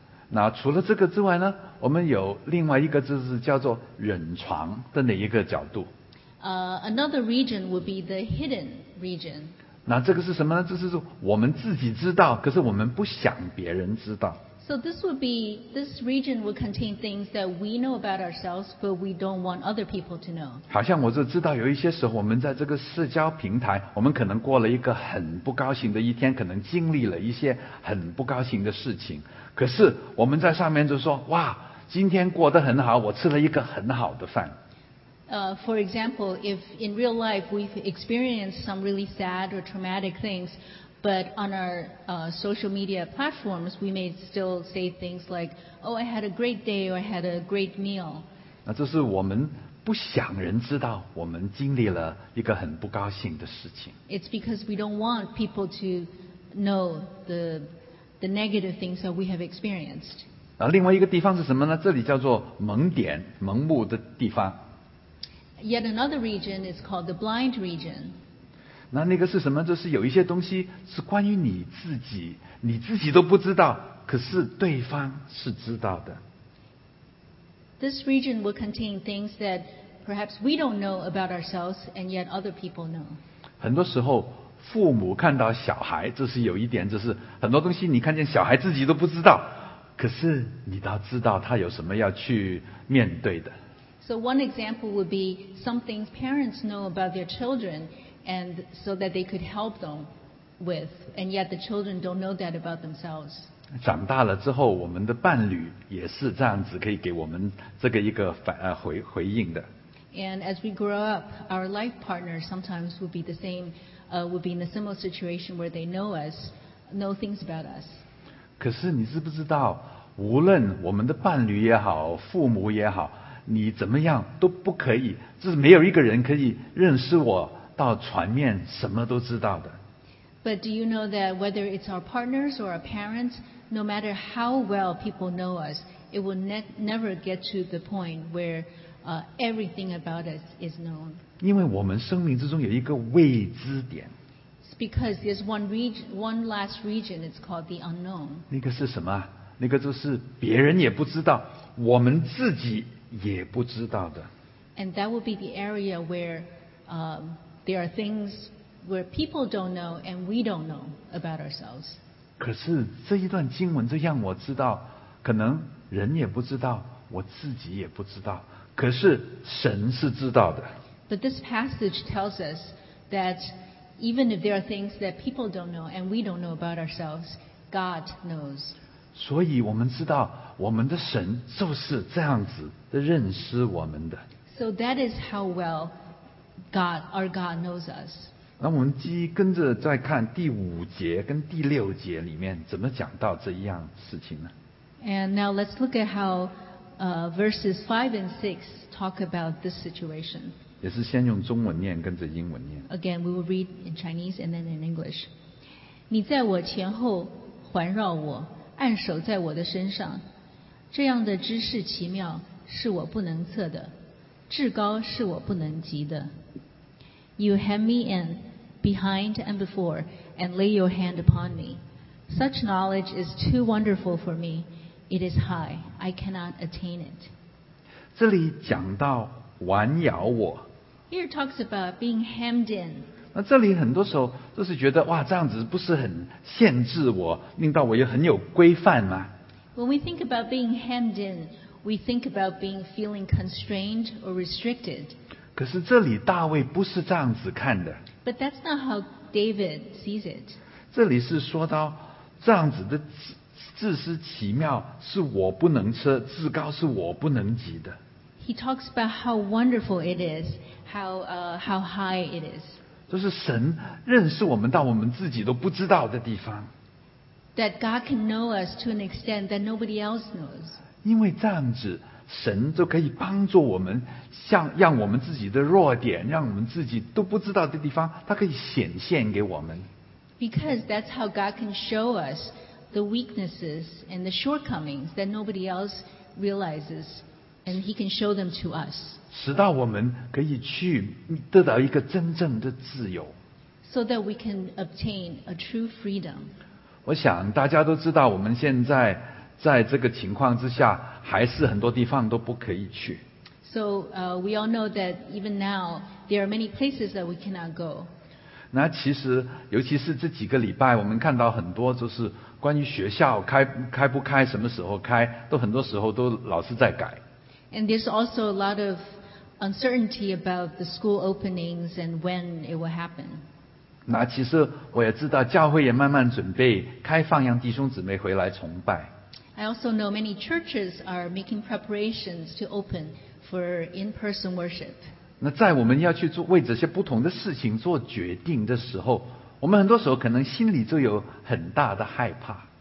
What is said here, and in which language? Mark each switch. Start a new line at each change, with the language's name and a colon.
Chinese: 那除了这个之外呢，我们有另外一个就是叫做隐藏的那一个角度。
English: Another region would be the hidden region.
Chinese: 那这个是什么呢？就是我们自己知道，可是我们不想别人知道。
English: So this region would contain things that we know about ourselves, but we don't want other people to know.
Chinese: 好像我就知道有一些时候我们在这个社交平台，我们可能过了一个很不高兴的一天，可能经历了一些很不高兴的事情。可是我们在上面就说，哇，今天过得很好，我吃了一个很好的饭。
English: For example, if in real life we've experienced some really sad or traumatic things,But on our social media platforms, we may still say things like, "Oh, I had a great day," or "I had a great meal."
Chinese: 那这是我们不想人知道我们经历了一个很不高兴的事情。
English: It's because we don't want people to know the negative things that we have experienced.
Chinese: 另外一个地方是什么呢？这里叫做盲点、盲目的地方。
English: Yet another region is called the blind region.
Chinese: 那那个是什么？就是有一些东西是关于你自己，你自己都不知道，可是对方是知道的。
English: This region will contain things that perhaps we don't know about ourselves, and yet other people know.
Chinese: 很多时候父母看到小孩，这是有一点，就是很多东西你看见小孩自己都不知道，可是你倒知道他有什么要去面对的。
English: So one example would be some things parents know about their children, and so that they could help them with, and yet the children don't know that about themselves.
Chinese: 长大了之后，我们的伴侣也是这样子，可以给我们这个一个回应的。
English: And as we grow up, our life partner sometimes would be the same, would be in a similar situation where they know us, know things about us.
Chinese: 可是你知不知道，无论我们的伴侣也好，父母也好，你怎么样都不可以，就是没有一个人可以认识我到全面什么都知道的。
English: But do you know that whether it's our partners or our parents, no matter how well people know us, it will never get to the point where everything about us is known.
Chinese: 因为我们生命之中有一个未知点。
English: It's because there's one last region, it's called the unknown.
Chinese: 那个是什么？那个就是别人也不知道，我们自己也不知道的。
English: And that will be the area where there are things where people don't know and we don't know about ourselves.
Chinese: 可是这一段经文就让我知道，可能人也不知道，我自己也不知道。可是神是知道的。
English: But this passage tells us that even if there are things that people don't know and we don't know about ourselves, God knows.
Chinese: 所以我们知道我们的神就是这样子的认识我们的。
English: So that is how well God, our God knows us.
Chinese: 那我们跟着再看第五节跟第六节里面怎么讲到这一样事情呢？
English: And now let's look at how verses 5 and 6 talk about this situation.
Chinese: 也是先用中文念跟着英文念。
English: Again, we will read in Chinese and then in English.
Chinese: 你在我前后环绕我，按手在我的身上，这样的知识奇妙是我不能测的，至高是我不能及的。
English: You hem me in, behind and before, and lay your hand upon me. Such knowledge is too wonderful for me. It is high. I cannot attain it.
Chinese: 这里讲到环绕我。
English: Here talks about being hemmed in.
Chinese: 那这里很多时候就是觉得哇，这样子不是很限制我，令到我也很有规范吗？
English: When we think about being hemmed in,We think about being feeling constrained or restricted.
Chinese: 可是这里大卫不是这样子看的。
English: But that's not how David sees it.
Chinese: 这里是说到这样子的自私奇妙是我不能测，至高是我不能及的。
English: He talks about how wonderful it is, how high it is.
Chinese: 就是神认识我们到我们自己都不知道的地方。
English: That God can know us to an extent that nobody else knows.
Chinese: 因为这样子神就可以帮助我们，像让我们自己的弱点，让我们自己都不知道的地方，他可以显现给我们。
English: Because that's how God can show us the weaknesses and the shortcomings that nobody else realizes, and he can show them to us.
Chinese: 使到我们可以去得到一个真正的自由。
English: So that we can obtain a true freedom.
Chinese: 我想大家都知道我们现在在这个情况之下，还是很多地方都不可以去。
English: So, we all know that even now there are many places that we cannot go.
Chinese: 那其实，尤其是这几个礼拜，我们看到很多就是关于学校开不开、什么时候开，都很多时候都老是在改。
English: And there's also a lot of uncertainty about the school openings and when it will happen.
Chinese: 那其实我也知道，教会也慢慢准备开放，让弟兄姊妹回来崇拜。
English: I also know many churches are making preparations to open for in-person worship.
Chinese: 那在我们要去做为这些不同的事情做决定的时候，我们很多时候可能心里就有很大的害怕。